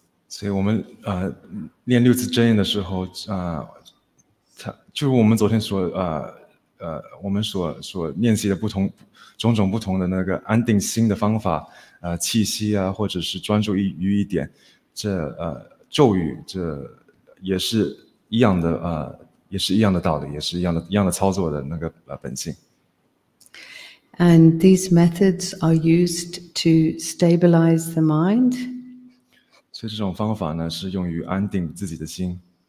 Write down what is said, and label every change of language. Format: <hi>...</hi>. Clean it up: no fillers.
<zh>所以我们练六字真言的时候，就是我们昨天所我们所练习的不同种种不同的那个安定心的方法，气息啊，或者是专注于一点。这咒语，这也是一样的，也是一样的道理，也是一样的操作的那个本性。</zh> <en>And these methods are used to stabilize the mind.</en> <zh>所以这种方法呢，是用于安定自己的心。</zh>